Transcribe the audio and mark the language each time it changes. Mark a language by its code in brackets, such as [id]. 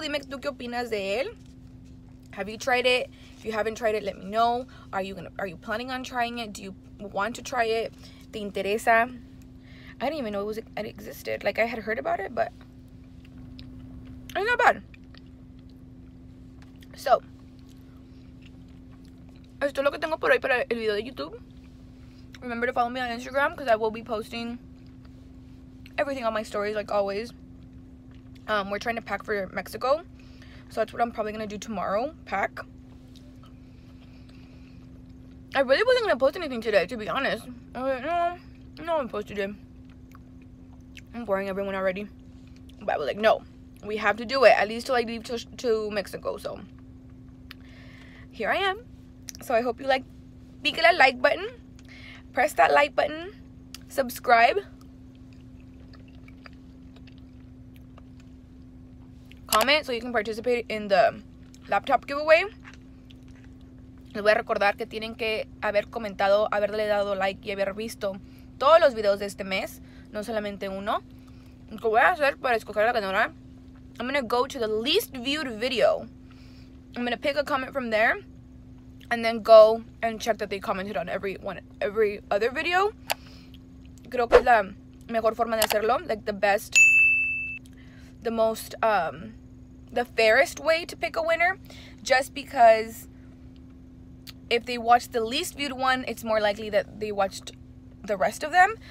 [es] Dime tú qué opinas de él. [en] Have you tried it? If you haven't tried it, let me know. Are you planning on trying it? Do you want to try it? [es] ¿Te interesa? [en] I didn't even know it existed. Like, I had heard about it, but it's not bad. [es] So, esto es lo que tengo por hoy para el video de YouTube. [en] Remember to follow me on Instagram because I will be posting everything on my stories like always. We're trying to pack for Mexico, so that's what I'm probably gonna do tomorrow, pack. I really wasn't gonna post anything today, to be honest. I was like, no one posted it. I'm boring everyone already. But I was like, no, we have to do it, at least till I leave to Mexico. So here I am. So I hope you like, pick that like button, press that like button, subscribe. Comment so you can participate in the laptop giveaway. [es] Les voy a recordar que tienen que haber comentado, haberle dado like y haber visto todos los videos de este mes, no solamente uno. ¿Qué voy a hacer para escoger la ganadora? [en] I'm going to go to the least viewed video. I'm going to pick a comment from there and then go and check that they commented on every other video. [es] Creo que es la mejor forma de hacerlo, [en] like the best, the most, the fairest way to pick a winner, just because if they watch the least viewed one, it's more likely that they watched the rest of them.